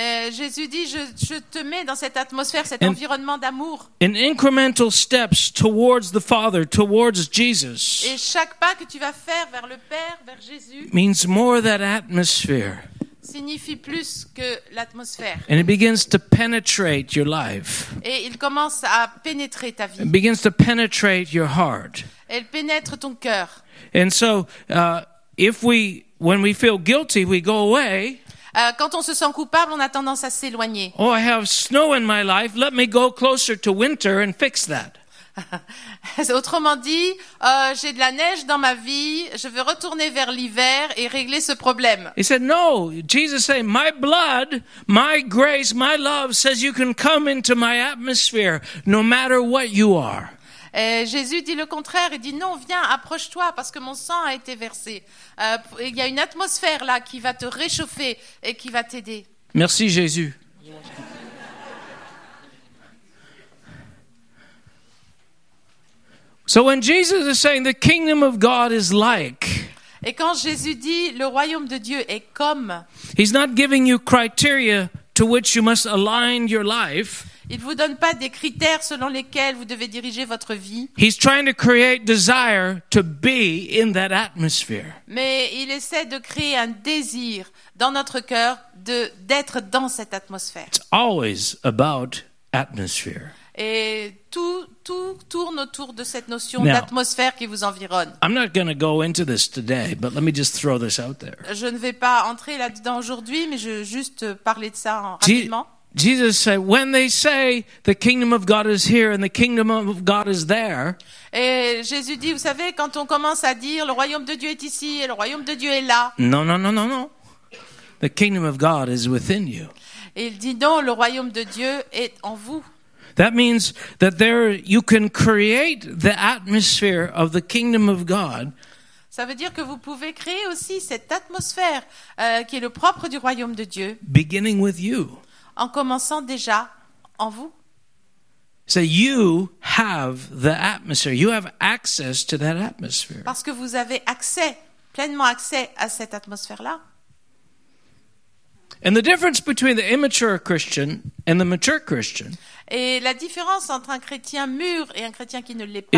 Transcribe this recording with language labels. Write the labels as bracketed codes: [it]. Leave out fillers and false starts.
[fr] Jésus dit, je te mets dans cette atmosphère, cet environnement d'amour. [en] In incremental steps towards the Father, towards Jesus. [fr] Et chaque pas que tu vas faire vers le Père, vers Jésus. [en] Means more that atmosphere. [fr] Signifie plus que l'atmosphère. [en] And it begins to penetrate your life. [fr] Et il commence à pénétrer ta vie. [en] It begins to penetrate your heart. [fr] Elle pénètre ton cœur. [en] And so, if we, when we feel guilty, we go away. [fr] Quand on se sent coupable, on a tendance à s'éloigner. [en] Oh, I have snow in my life. Let me go closer to winter and fix that. [fr] Autrement dit, j'ai de la neige dans ma vie. Je veux retourner vers l'hiver et régler ce problème. [en] He said, "No." Jesus said, "My blood, my grace, my love says you can come into my atmosphere, no matter what you are." [fr] Et Jésus dit le contraire, il dit non, viens, approche-toi, parce que mon sang a été versé. Il y a une atmosphère là qui va te réchauffer et qui va t'aider. Merci Jésus. [en] So when Jesus is saying the kingdom of God is like, [fr] et quand Jésus dit le royaume de Dieu est comme, [en] he's not giving you criteria to which you must align your life. [fr] Il ne vous donne pas des critères selon lesquels vous devez diriger votre vie. [en] He's trying to create desire to be in that atmosphere. [fr] Mais il essaie de créer un désir dans notre cœur d'être dans cette atmosphère. [en] It's always about atmosphere. [fr] Et tout tourne autour de cette notion d'atmosphère qui vous environne. [en] I'm not going to go into this today, but let me just throw this out there. [fr] Je ne vais pas entrer là-dedans aujourd'hui, mais je vais juste parler de ça rapidement. [en] Jesus said, when they say the kingdom of God is here and the kingdom of God is there. [fr] Et Jésus dit, vous savez, quand on commence à dire le royaume de Dieu est ici et le royaume de Dieu est là. [en] Non. The kingdom of God is within you. [fr] Et il dit non, le royaume de Dieu est en vous. [en] That means that there you can create the atmosphere of the kingdom of God. [fr] Ça veut dire que vous pouvez créer aussi cette atmosphère qui est le propre du royaume de Dieu. [en] Beginning with you. [fr] En commençant déjà en vous. [en] So you have the atmosphere. You have access to that atmosphere. [fr] Parce que vous avez accès, pleinement accès à cette atmosphère-là. [en] And the difference between the immature Christian and the mature Christian. [fr] Et la différence entre un chrétien mûr et un chrétien qui ne l'est pas.